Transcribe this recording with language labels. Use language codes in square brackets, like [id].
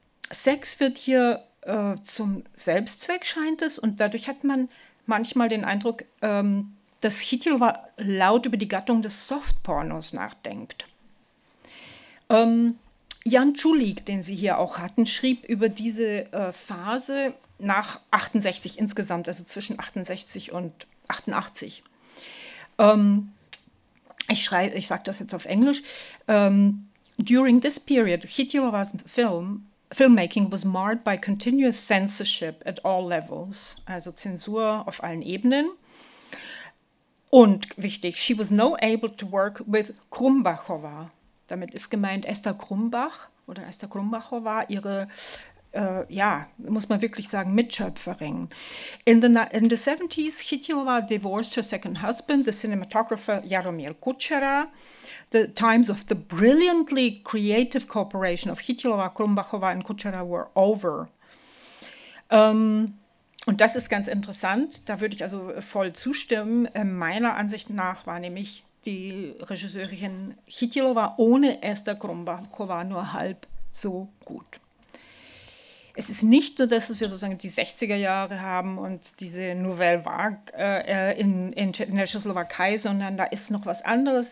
[de] Sex wird hier zum Selbstzweck, scheint es, und dadurch hat man manchmal den Eindruck, dass Chytilová laut über die Gattung des Softpornos nachdenkt. Jan Čulík, den Sie hier auch hatten, schrieb über diese Phase nach 68 insgesamt, also zwischen 68 und 88. Ich sage das jetzt auf Englisch. [en] During this period, Chytilová's filmmaking was marred by continuous censorship at all levels, [de] also Zensur auf allen Ebenen. Und wichtig, [en] she was no able to work with Krumbachová. [de] Damit ist gemeint Esther Krumbach oder Esther Krumbachová, ihre, muss man wirklich sagen, Mitschöpferin. [en] In the 70s, Chytilová divorced her second husband, the cinematographer Jaromír Kučera. The times of the brilliantly creative cooperation of Chytilová, Krumbachová and Kučera were over. [de] Und das ist ganz interessant, da würde ich also voll zustimmen. Meiner Ansicht nach war nämlich die Regisseurin Chytilová ohne Esther Krumbachová nur halb so gut. Es ist nicht nur, dass wir sozusagen die 60er Jahre haben und diese Nouvelle Vague in der Tschechoslowakei, sondern da ist noch was anderes.